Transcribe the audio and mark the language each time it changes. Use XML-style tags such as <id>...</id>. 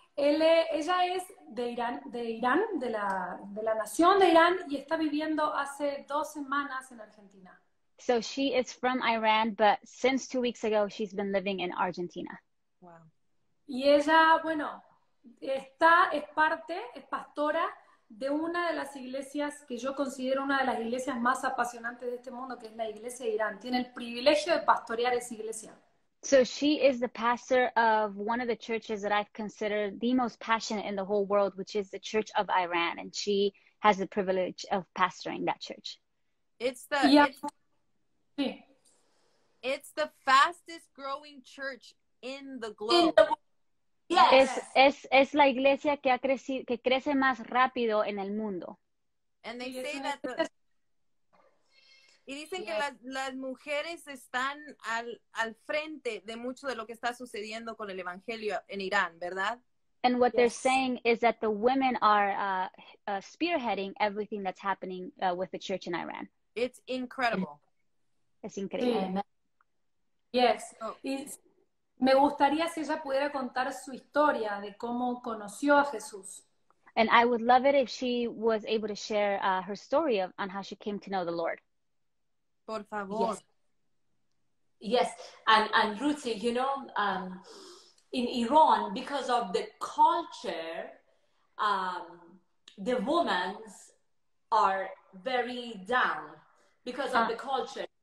<es>Ella es de Irán, de la nación de Irán, y está viviendo hace 2 semanas en Argentina.</es> <en>So she is from Iran, but since 2 weeks ago, she's been living in Argentina. Wow.</en> <es>Y ella, bueno, es pastora de una de las iglesias que yo considero una de las iglesias más apasionantes de este mundo, que es la iglesia de Irán. Tiene el privilegio de pastorear esa iglesia.</es> <en>So she is the pastor of one of the churches that I consider the most passionate in the whole world, which is the Church of Iran, and she has the privilege of pastoring that church. It's the fastest growing church in the globe. Yes.</en> <es>Es la iglesia que ha crecido, que crece más rápido en el mundo.</es> <en>And they say that</en> <es>Y dicen que las mujeres están al frente de mucho de lo que está sucediendo con el evangelio en Irán, ¿verdad?</es> <en>And what they're saying is that the women are spearheading everything that's happening with the church in Iran. It's incredible.</en> <es>Es increíble.</es> <en>Yes.</en> <es>Me gustaría si ella pudiera contar su historia de cómo conoció a Jesús.</es> <en>And I would love it if she was able to share her story of on how she came to know the Lord.</en> <es>Por favor.</es> <en>Yes. And Ruthie, you know, in Iran, because of the culture, the women are very down because of the culture.</en>